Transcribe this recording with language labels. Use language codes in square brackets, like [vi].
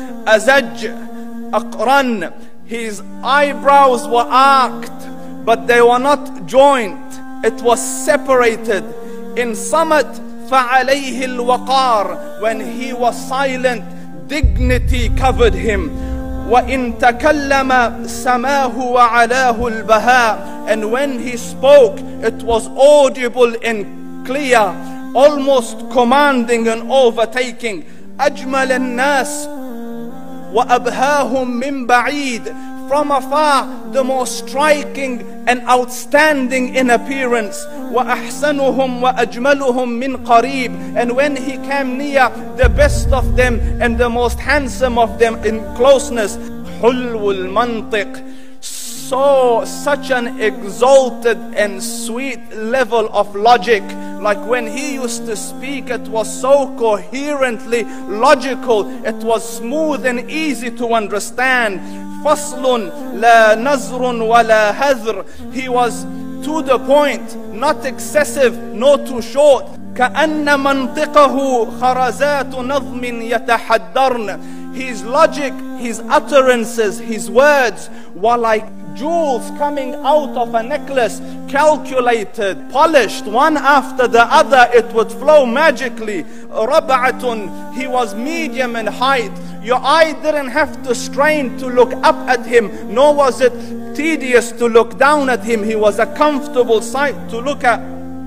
[ar] أزج أقرن. [en] His eyebrows were arched, but they were not joined. It was separated. [ar] In summit, فعليه الوقار. [en] When he was silent, dignity covered him. [ar] وإن تكلم سماه وعلاه البهاء. [en] And when he spoke, it was audible and clear, almost commanding and overtaking. [ar] أجمل الناس وأبهاهم من بعيد. [en] From afar, the most striking and outstanding in appearance. [ar] وأحسنهم وأجملهم من قريب. [en] And when he came near, the best of them and the most handsome of them in closeness. [ar] حلو المنطق. [en] So such an exalted and sweet level of logic. Like when he used to speak, it was so coherently logical. It was smooth and easy to understand. [ar] فصل لا نزر ولا هذر. [en] He was to the point, not excessive, nor too short. [ar] كأن منطقه خرزات نظم يتحدرن. [en] His logic, his utterances, his words were like jewels coming out of a necklace, calculated, polished, one after the other, it would flow magically. رَبْعَةٌ. He was medium in height. Your eye didn't have to strain to look up at him, nor was it tedious to look down at him. He was a comfortable sight to look at.